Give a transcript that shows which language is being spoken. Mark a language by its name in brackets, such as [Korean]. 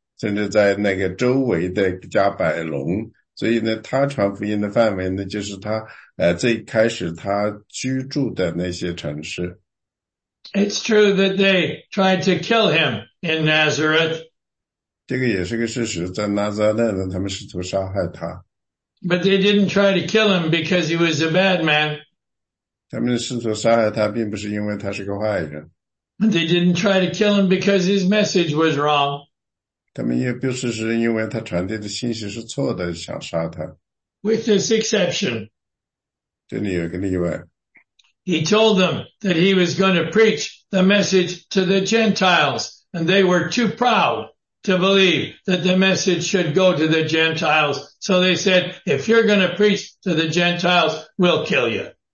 [Chinese] 所以呢，主耶稣基督呢，他刚开始服事的时候呢，他其实是在加利利，在那个拿撒勒，甚至在那个周围的加百农。所以呢，他传福音的范围呢，就是他最开始他居住的那些城市。 [English] It's true that they tried to kill him in Nazareth. [Chinese] 这个也是个事实，在拿撒勒呢，他们试图杀害他。 [English] But they didn't try to kill him because he was a bad man. [Chinese] 他们试图杀害他，并不是因为他是个坏人。 [English] But they didn't try to kill him because his message was wrong. [Chinese] 他们也不是因为他传递的信息是错的，想杀他。 [English] With this exception, [Chinese] 这里有个例外。 [English] He told them that he was going to preach the message to the Gentiles, and they were too proud to believe that the message should go to the Gentiles. So they said, "If you're going to preach to the Gentiles, we'll kill you."